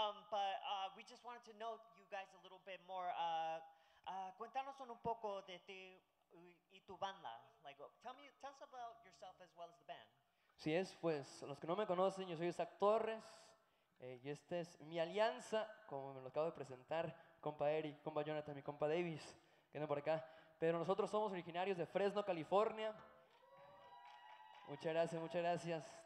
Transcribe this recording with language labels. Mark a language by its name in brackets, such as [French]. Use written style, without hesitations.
[English] but we just wanted to know you guys a little bit more. [Spanish] Cuéntanos un poco de ti y tu banda. [English] Like, tell us about yourself as well as the band. [Spanish] Sí, es, pues, los que no me conocen, yo soy Isaac Torres. Y esta es mi alianza, como me lo acabo de presentar, compa Eric, compa Jonathan, mi compa Davis, que andan por acá. Pero nosotros somos originarios de Fresno, California. Muchas gracias, muchas gracias.